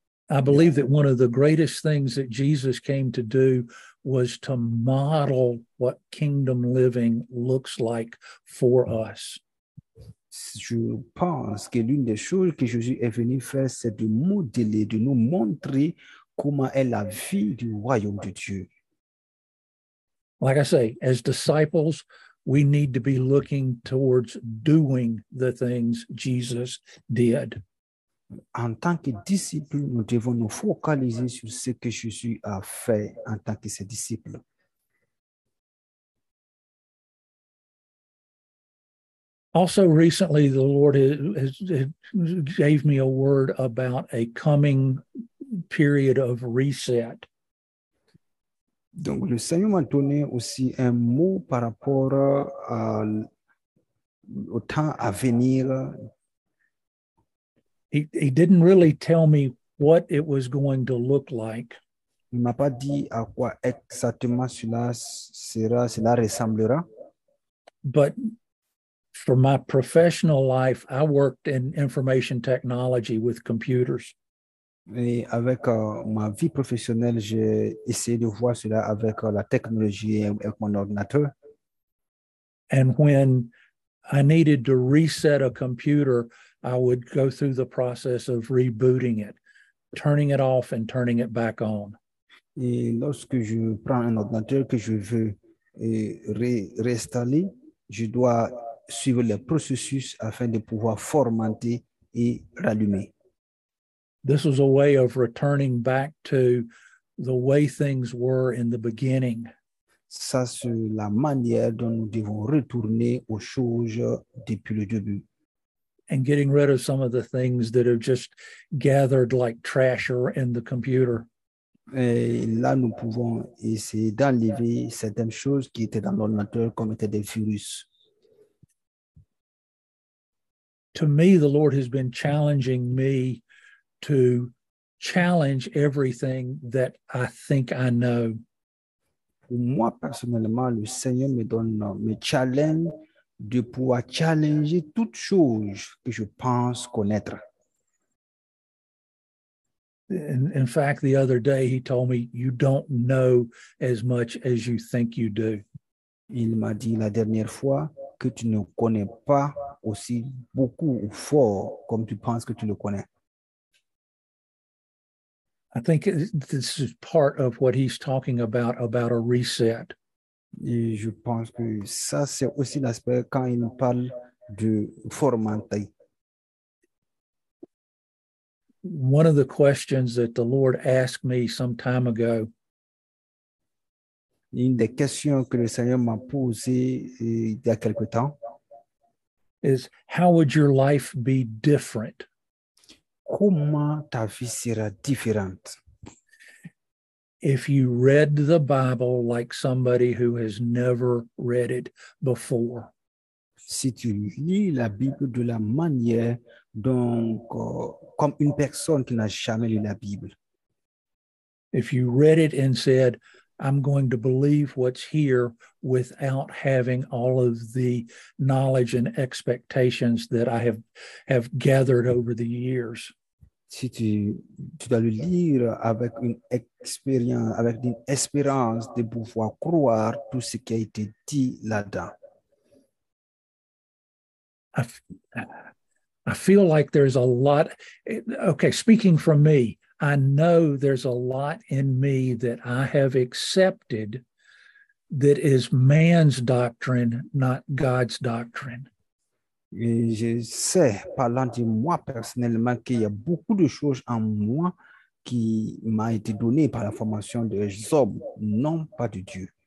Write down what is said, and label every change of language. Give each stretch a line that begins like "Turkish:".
English: I believe that one of the greatest things that Jesus came to do was to model what kingdom living looks like for us.
French: Je pense que l'une des choses que Jésus est venu faire, c'est de modeler, de nous montrer comment est la vie du royaume de Dieu.
English: Like I say, as disciples, we need to be looking towards doing the things Jesus did.
French: En tant que disciples, nous devons nous focaliser sur ce que Jésus a fait en tant que ses disciples.
English: Also recently, the Lord has gave me a word about a coming period of reset.
French: Donc, le Seigneur m'a donné aussi un mot par rapport au temps à venir.
English: He didn't really tell me what it was going to look like.
French: Il m'a pas dit à quoi exactement cela ressemblera.
English: But for my professional life, I worked in information technology with computers.
French: Et avec ma vie professionnelle, j'ai essayé de voir cela avec la technologie et avec mon ordinateur.
English: And when I needed to reset a computer, I would go through the process of rebooting it, turning it off and turning it back on.
French: Et lorsque je prends un ordinateur que je veux réinstaller, je dois suivre le processus afin de pouvoir formater et rallumer.
English: This was a way of returning back to the way things were in the beginning.
French: Ça, c'est la manière dont nous devons retourner aux choses depuis le début.
English: And getting rid of some of the things that have just gathered like trash in the computer.
French: Et là, nous pouvons essayer d'enlever certaines choses qui étaient dans l'ordinateur comme étaient des virus.
English: To me, the Lord has been challenging me to challenge everything that I think I know.
French: Pour moi, personnellement, le Seigneur me challenge de pouvoir challenger toute chose que je pense connaître.
English: In fact, the other day, he told me, you don't know as much as you think you do.
French: Il m'a dit la dernière fois que tu ne connais pas aussi beaucoup ou fort comme tu penses que tu le connais.
English: I think this is part of what he's talking about a reset.
French: Et je pense que ça, c'est aussi l'aspect quand il parle de formater.
English: One of the questions that the Lord asked me some time ago.
French: Une des questions que le Seigneur m'a posée il y a quelque temps.
English: Is how would your life be different?
French: Comment ta vie sera différente?
English: If you read the Bible like somebody who has never read it before.
French: Si tu lis la Bible de la manière donc comme une personne qui n'a jamais lu la Bible.
English: If you read it and said, I'm going to believe what's here without having all of the knowledge and expectations that I have gathered over the years.
French: Si tu dois le lire avec une expérience, avec une espérance de pouvoir croire tout ce qui a été dit là-dedans.
English: I feel like there's a lot. Okay, speaking from me, I know there's a lot in me that I have accepted that is man's doctrine, not God's doctrine.
French: Et je sais, parlant de moi personnellement, qu'il y a beaucoup de choses en moi qui m'a été donné par la formation de Job, non pas de Dieu.